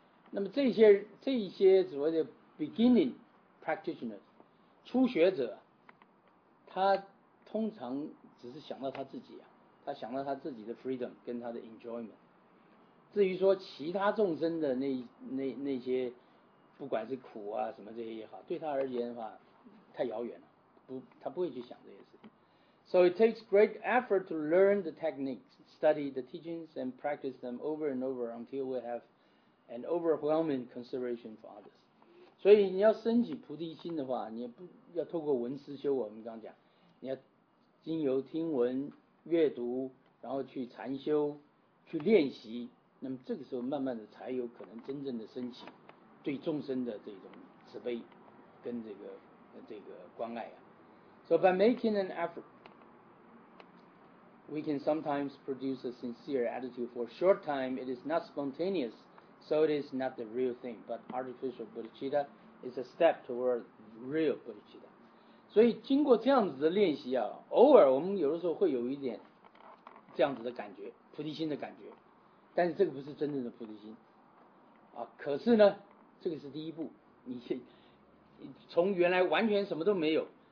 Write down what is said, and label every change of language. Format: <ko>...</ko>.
<zh>那么这些所谓的 beginning practitioners 初学者，他通常只是想到他自己、啊、他想到他自己的 freedom 跟他的 enjoyment。至于说其他众生的那些不管是苦啊什么这些也好，对他而言的话太遥远了，他不会去想这些事。</zh> <en>So it takes great effort to learn the techniques, study the teachings, and practice them over and over until we have an overwhelming consideration for others.</en> <zh>所以你要升起菩提心的话，你不要透过闻思修，我们刚讲你要经由听闻阅读，然后去禅修去练习，那么这个时候慢慢的才有可能真正的升起对众生的这种慈悲跟这个这个关爱啊。</zh> <en>So by making an effort, we can sometimes produce a sincere attitude. For a short time, it is not spontaneous, so it is not the real thing. But artificial bodhicitta is a step toward real bodhicitta.</en> <zh>所以经过这样子的练习啊，偶尔我们有的时候会有一点这样子的感觉，菩提心的感觉，但是这个不是真正的菩提心啊。可是呢，这个是第一步，你从原来完全什么都没有。</zh>